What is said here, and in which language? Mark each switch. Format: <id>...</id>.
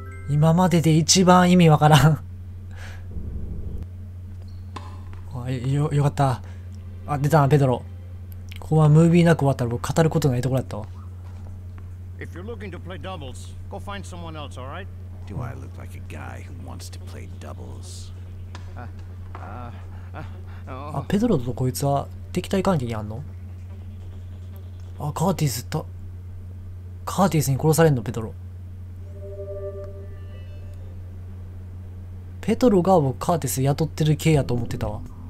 <ja>今までで一番意味わからん。あ、よかった。あ、出たな、ペドロ。ここはムービーなく終わったら僕語ることないところだったわ。</ja> <en>If you're looking to play doubles, go find someone else, all right? Do I look like a guy who wants to play doubles?</en> <ja>あ、ペドロとこいつは敵対関係にあんの？あ、カーティスと、カーティスに殺されんの、ペドロ。ペトロが僕カーティス雇ってる系やと思ってたわ。</ja>